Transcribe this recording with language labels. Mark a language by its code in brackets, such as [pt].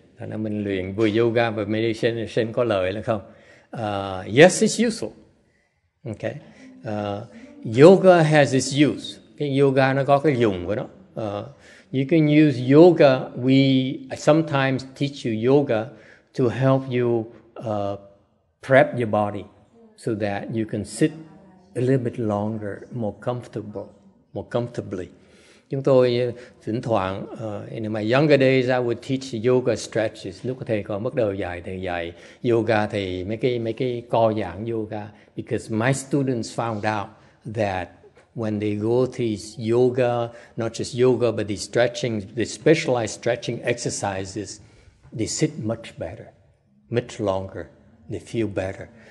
[vi] Thế nên mình luyện vừa yoga và meditation có lợi là không? [en] Yes, it's useful. Okay. Yoga has its use. [vi] Cái yoga nó có cái dùng của nó. [en] You can use yoga. We sometimes teach you yoga to help you prep your body so that you can sit a little bit longer, more comfortably. [vi] Chúng tôi thỉnh thoảng, [en] in my younger days, I would teach yoga stretches. [vi] Lúc thầy còn bắt đầu dạy, thầy dạy yoga, thì mấy cái co giãn yoga. [en] Because my students found out that when they go to yoga, not just yoga, but the stretching, the specialized stretching exercises, they sit much better, much longer, they feel better.